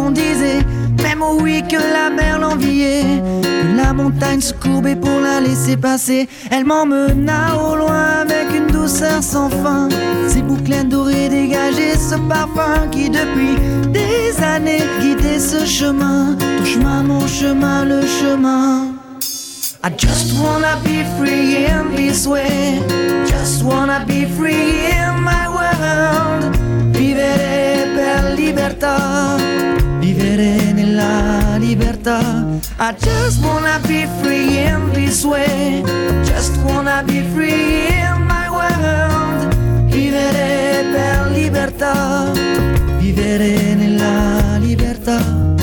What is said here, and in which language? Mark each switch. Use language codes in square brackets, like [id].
[fr] On disait même oui que la mer l'enviait, que la montagne se courbait pour la laisser passer. Elle m'emmena au loin avec une douceur sans fin. Ses boucles dorées dégageaient ce parfum qui depuis des années guidait ce chemin. Ton chemin, mon chemin, le chemin. [en] I just wanna be free in this way. Just wanna be free in my world. [it] Vivere per libertà, vivere nella libertà. [en] I just wanna be free in this way. Just wanna be free in my world. [it] Vivere per libertà, vivere nella libertà.